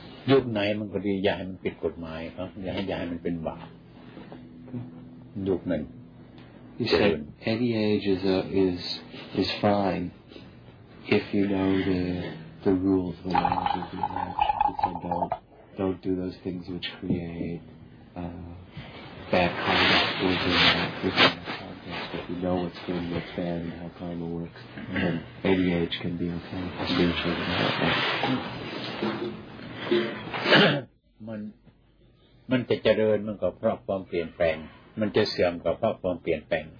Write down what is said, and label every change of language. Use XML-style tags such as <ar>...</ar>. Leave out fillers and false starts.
<th>ยุคไหนมันก็ดีอย่าให้มันผิดกฎหมายครับอย่าให้มันเป็นบาปยุคนั้น</th> <en>He said any age is fine if you know the rules the laws of the age so don't do those things which create bad karma within that context if you know what's good what's bad and how karma works then any age can be okay spiritually healthy</en> <th>มันจะเจริญมันก็เพราะความเปลี่ยนแปลงมันจะเสื่อมก็เพราะความเปลี่ยนแปลง</th>